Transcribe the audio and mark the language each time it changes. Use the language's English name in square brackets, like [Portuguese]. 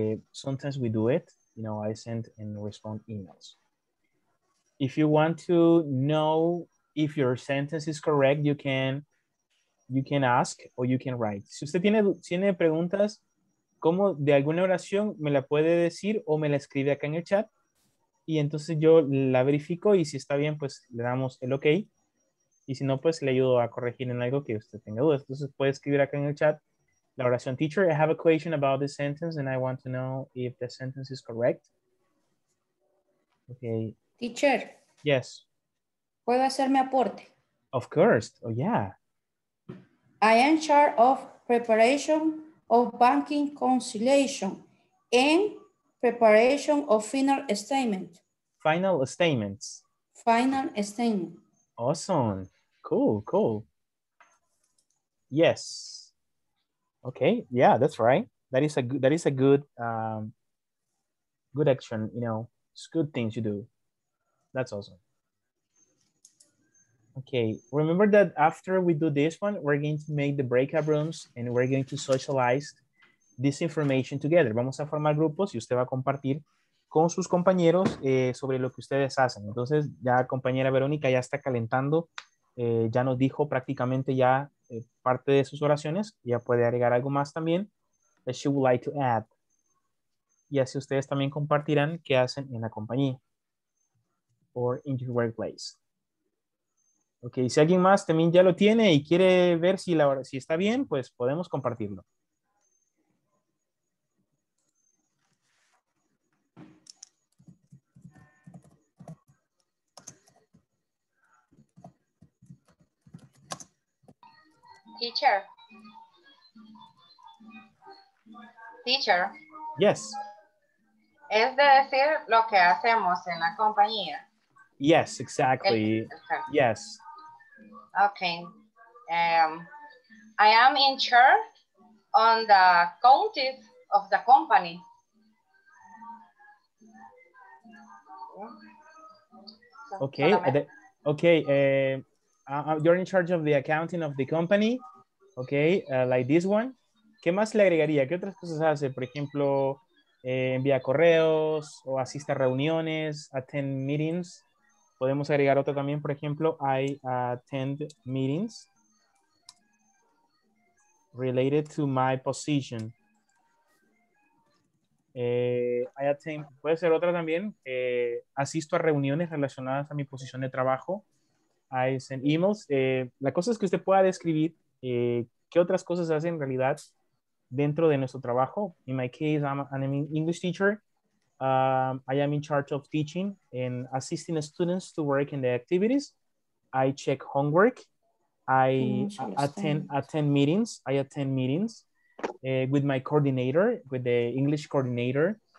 [English] Sometimes we do it, you know, I send and respond emails. If you want to know if your sentence is correct, you can ask or you can write. [Spanish] Si usted tiene preguntas, ¿cómo de alguna oración me la puede decir o me la escribe acá en el chat? Y entonces yo la verifico y si está bien, pues le damos el ok. Y si no, pues le ayudo a corregir en algo que usted tenga dudas. Entonces puede escribir acá en el chat la oración. [English] Teacher, I have a question about this sentence and I want to know if the sentence is correct. Okay. Teacher. Yes. [Spanish] ¿Puedo hacer mi aporte? [English] Of course. Oh, yeah. I am charge of preparation of banking conciliation and preparation of final statement. Final statements. Final statement. Awesome. Cool, cool. Yes. Okay. Yeah, that's right. That is a good, that is a good, good action. You know, it's good thing to do. That's awesome. Okay. Remember that after we do this one, we're going to make the breakout rooms and we're going to socialize this information together. [Spanish] Vamos a formar grupos y usted va a compartir con sus compañeros sobre lo que ustedes hacen. Entonces, ya compañera Verónica ya está calentando. Ya nos dijo prácticamente ya parte de sus oraciones. Ya puede agregar algo más también. [English] That she would like to add. [Spanish] Y así ustedes también compartirán qué hacen en la compañía. [English] Or in your workplace. [Spanish] Ok, si alguien más también ya lo tiene y quiere ver si, si está bien, pues podemos compartirlo. [English] Teacher. Teacher. Yes. [Spanish] Es de decir lo que hacemos en la compañía. [English] Yes, exactly. Okay. Yes. Okay. I am in charge on the counties of the company. Okay. Okay. You're in charge of the accounting of the company. Okay, like this one. [Spanish] ¿Qué más le agregaría? ¿Qué otras cosas hace? Por ejemplo, envía correos o asiste a reuniones, [English] attend meetings. [Spanish] Podemos agregar otro también, por ejemplo, [English] I attend meetings related to my position. I attend, [Spanish] puede ser otra también, asisto a reuniones relacionadas a mi posición de trabajo. [English] I send emails. [Spanish] La cosa es que usted pueda describir ¿qué otras cosas hace en realidad dentro de nuestro trabajo? [English] In my case, I'm an English teacher. I am in charge of teaching and assisting students to work in the activities. I check homework. I attend meetings. I attend meetings with my coordinator, with the English coordinator.